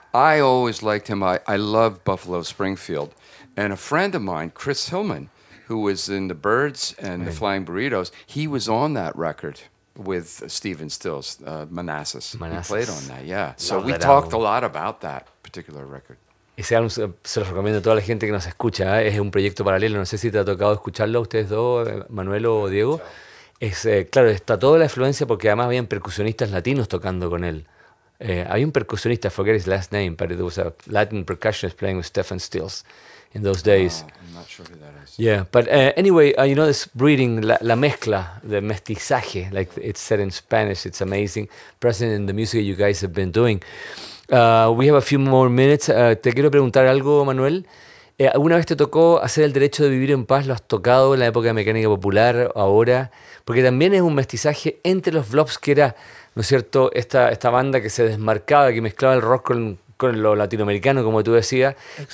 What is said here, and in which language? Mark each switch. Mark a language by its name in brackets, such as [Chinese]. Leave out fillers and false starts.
[English] I always liked him. I love Buffalo Springfield. And a friend of mine, Chris Hillman, who was in the Birds and the Flying Burritos, he was on that record with Stephen Stills, Manassas. Manassas. He played on that, yeah. So we talked a lot about that particular record. [Spanish] Ese álbum se los recomiendo a toda la gente que nos escucha. Es un proyecto paralelo. No sé si te ha tocado escucharlo a ustedes dos, Manuel o Diego. Es, claro, está toda la influencia porque además habían percusionistas latinos tocando con él. Hay un percusionista, [English] forget his last name, but it was a Latin percussionist playing with Stephen Stills in those days. Oh, I'm not sure who that is. Yeah, but anyway, you know, this breeding, [Spanish] la mezcla, [English] the mestizaje, like it's said in Spanish, it's amazing, present in the music you guys have been doing. We have a few more minutes. [Spanish] Te quiero preguntar algo, Manuel. ¿Alguna vez te tocó hacer el derecho de vivir en paz? ¿Lo has tocado en la época de Mecánica Popular, ahora? Porque también es un mestizaje entre los Blobs, que era, ¿no es cierto?, esta banda que se desmarcaba, que mezclaba el rock con lo latinoamericano, como tú decías. Exacto.